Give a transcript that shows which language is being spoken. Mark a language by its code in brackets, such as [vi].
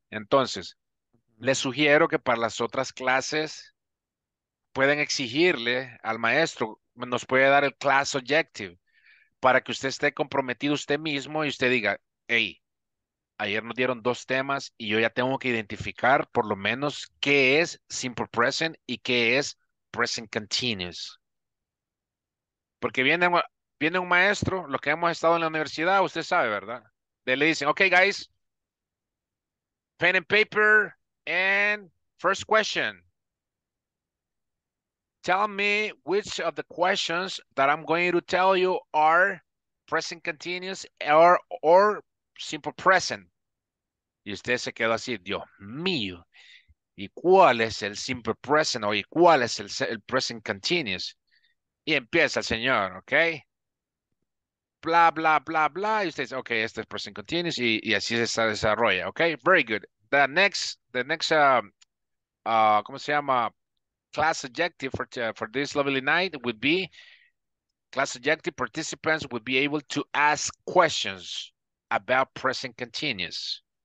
[es] Entonces, le sugiero que para las otras clases pueden exigirle al maestro, nos puede dar el class objective, para que usted esté comprometido usted mismo y usted diga, hey, ayer nos dieron 2 temas y yo ya tengo que identificar por lo menos qué es simple present y qué es present continuous. Porque viene un maestro, los que hemos estado en la universidad, usted sabe, ¿verdad? De le dicen, [en] okay, guys, pen and paper and first question. Tell me which of the questions that I'm going to tell you are present continuous or simple present. [es] Y usted se quedó así, Dios mío, ¿y cuál es el simple present o y cuál es el present continuous? Y empieza el señor, ¿ok? Bla, bla, bla, bla. Y usted dice, ok, este es present continuous y así se desarrolla, ¿ok? [en] Very good. The next, [es] ¿cómo se llama? [en] Class objective for this lovely night would be, class objective participants would be able to ask questions about present continuous.